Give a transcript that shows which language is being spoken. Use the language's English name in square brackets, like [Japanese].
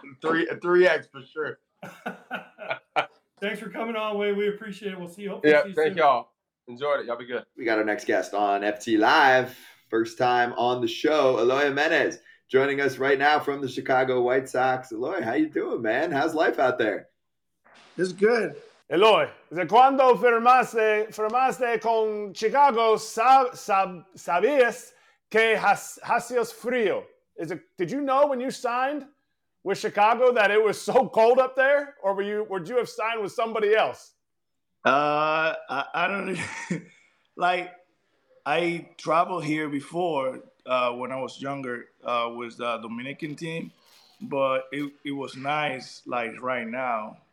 [English] 3X for sure. Thanks for coming on, Wade. We appreciate it. We'll see you. Yeah, thank y'all. Enjoyed it. Y'all be good. We got our next guest on FT Live. First time on the show, Eloy Jiménez, joining us right now from the Chicago White Sox. Eloy, how you doing, man? How's life out there? It's good. [Spanish] Eloy, de cuando firmaste con Chicago, sabías que hacías frío? [English] Did you know when you signed with Chicago that it was so cold up there? Or would you have signed with somebody else? I don't like, I traveled here before when I was younger with the Dominican team, but it was nice, like, right now.